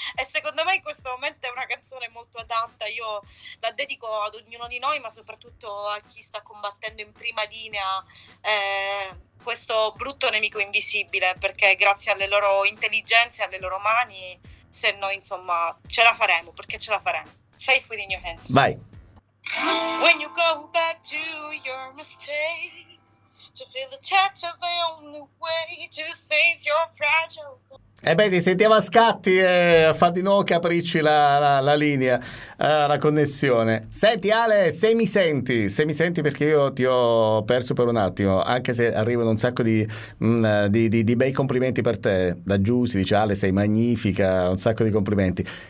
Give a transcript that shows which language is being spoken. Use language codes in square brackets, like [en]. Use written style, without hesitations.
[it] E secondo me in questo momento è una canzone molto adatta, io la dedico ad ognuno di noi, ma soprattutto a chi sta combattendo in prima linea questo brutto nemico invisibile, perché grazie alle loro intelligenze, alle loro mani, se noi insomma ce la faremo, perché ce la faremo. [en] Faith Within Your Hands. [it] Vai. [en] When you go back to your mistakes, to feel the touch of the only way to save your fragile. [it] E beh, ti sentiamo a scatti e fa di nuovo capricci la linea, la connessione. Senti Ale, se mi senti perché io ti ho perso per un attimo, anche se arrivano un sacco di bei complimenti per te, da Giussi, dice Ale, sei magnifica, un sacco di complimenti.